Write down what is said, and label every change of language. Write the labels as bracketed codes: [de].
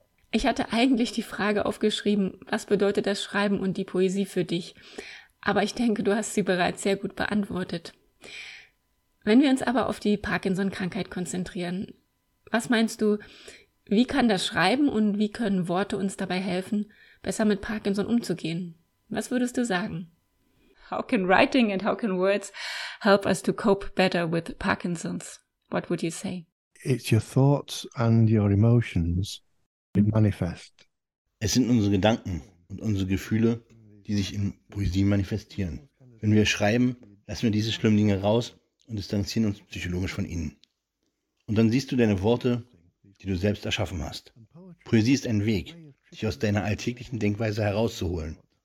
[de] Ich hatte eigentlich die Frage aufgeschrieben, was bedeutet das Schreiben und die Poesie für dich? Aber ich denke, du hast sie bereits sehr gut beantwortet. Wenn wir uns aber auf die Parkinson-Krankheit konzentrieren, was meinst du, wie kann das Schreiben und wie können Worte uns dabei helfen, besser mit Parkinson umzugehen? Was würdest du sagen? [en] How can writing and how can words help us to cope better with Parkinson's? What would you say? It's your thoughts and your emotions. Manifest. [de] Es sind unsere Gedanken und unsere Gefühle, die sich in Poesie manifestieren. Wenn wir schreiben, lassen wir diese schlimmen Dinge raus und distanzieren uns psychologisch von ihnen. Und dann siehst du deine Worte, die du selbst erschaffen hast. Poesie ist ein Weg, dich aus deiner alltäglichen Denkweise herauszuholen.